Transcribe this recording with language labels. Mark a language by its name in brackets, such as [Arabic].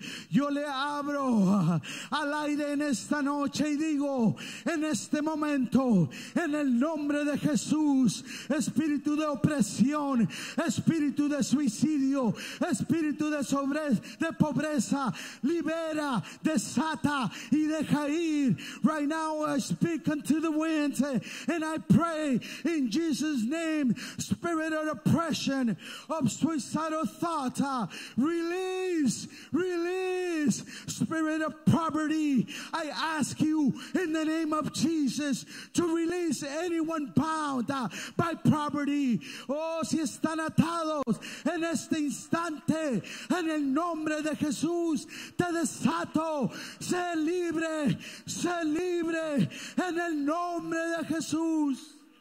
[Spanish] Yo le abro al aire en esta noche y digo, en este momento, en el nombre de Jesús, espíritu de opresión, espíritu de suicidio, espíritu de pobreza, libera, desata y deja ir. [English] Right now I speak unto the wind and I pray in Jesus' name, spirit of oppression, of suicidal thought, release. Release, spirit of poverty. I ask you in the name of Jesus to release anyone bound by poverty. [Spanish] Oh, si están atados en este instante, en el nombre de Jesús, te desato. Sé libre, sé libre en el nombre de Jesús.